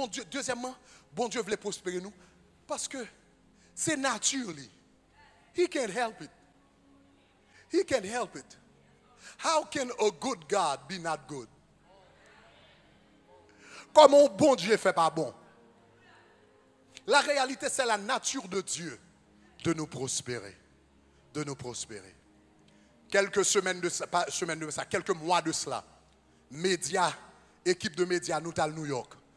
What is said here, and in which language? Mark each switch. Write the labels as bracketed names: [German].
[French] Deuxièmement, bon Dieu voulait prospérer nous parce que c'est naturel. [English] He can't help it. He can't help it. How can a good God be not good? [French] Comment bon Dieu fait pas bon? La réalité, c'est la nature de Dieu de nous prospérer. De nous prospérer. Quelques mois de cela, médias, équipe de médias, nous sommes à New York.